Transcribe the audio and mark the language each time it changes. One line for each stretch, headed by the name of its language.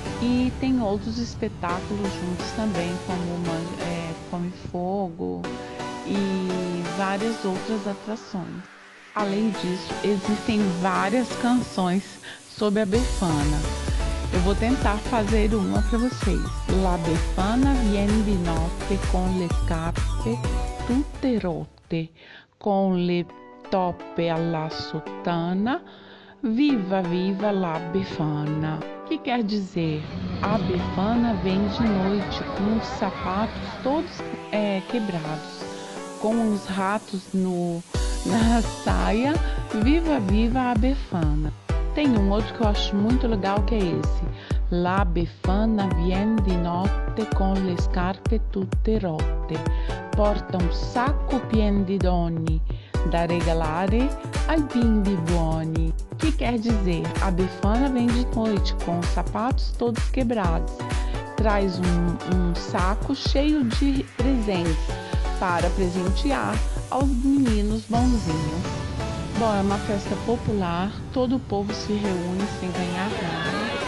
Portuguese: E tem outros espetáculos juntos também, como Come Fogo e várias outras atrações. Além disso, existem várias canções sobre a Befana. Eu vou tentar fazer uma para vocês.
Italian: La Befana viene di notte con le scarpe tutte rotte, con le toppe alla sottana, viva, viva la Befana.
Portuguese: O que quer dizer? A Befana vem de noite com os sapatos todos quebrados, com os ratos na saia, viva, viva a Befana. Tem um outro que eu acho muito legal, que é esse.
Italian: La Befana viene di notte con le scarpe tutte rotte. Porta un sacco pien di doni da regalare ai bimbi buoni.
Portuguese: Que quer dizer? A Befana vem de noite com os sapatos todos quebrados. Traz um saco cheio de presentes para presentear aos meninos bonzinhos. Bom, é uma festa popular, todo o povo se reúne sem ganhar nada.